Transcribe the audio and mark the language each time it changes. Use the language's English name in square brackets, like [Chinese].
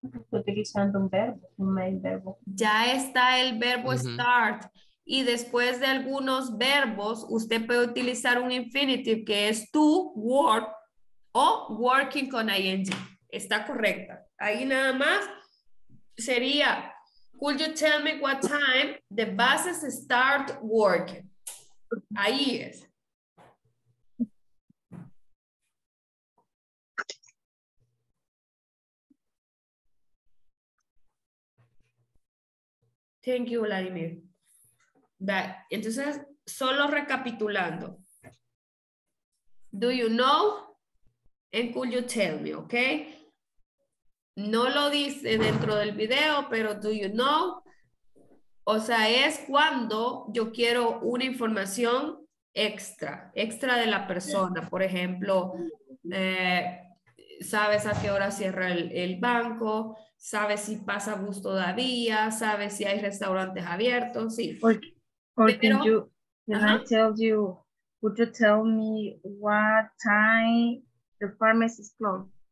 [Spanish] Utilizando un verbo. Ya está el verbo start y después de algunos verbos usted puede utilizar un infinitive que es to work o working con ing. Está correcta. Ahí nada más. Sería, [English] could you tell me what time the buses start working? [Spanish] Ahí es. [English] Thank you, Vladimir. But, [Spanish] entonces, solo recapitulando. [English] Do you know? And could you tell me, okay? [Spanish] No lo dice dentro del video, pero [English] do you know? [Spanish] O sea, es cuando yo quiero una información extra de la persona. Por ejemplo, ¿sabes a qué hora cierra el banco? ¿Sabes si pasa bus todavía? ¿Sabes si hay restaurantes abiertos? Sí. [English] Could you tell me what time the pharmacy is closed?